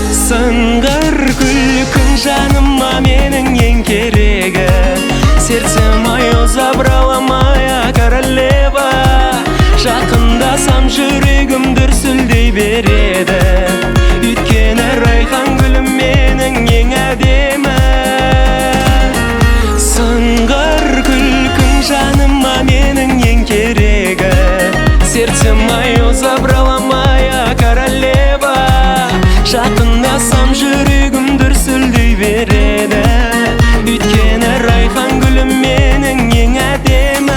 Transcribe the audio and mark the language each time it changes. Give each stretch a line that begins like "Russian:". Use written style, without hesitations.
Kazakh: Сыңғыр күлкін жаныма менің ең керегі.
Russian: Сердце мое забрала моя королева.
Kazakh: Жақындасам жүрегім дүрсілдей береді. Үйткені райхан гүлім менің ең әдемі. Сыңғыр күлкін жаныма менің ең керегі.
Russian: Сердце мое забрала моя королева.
Kazakh: Жақындасам жүрегім дүрсілдей береді. Үйткені райхан гүлім менің ең әдемі.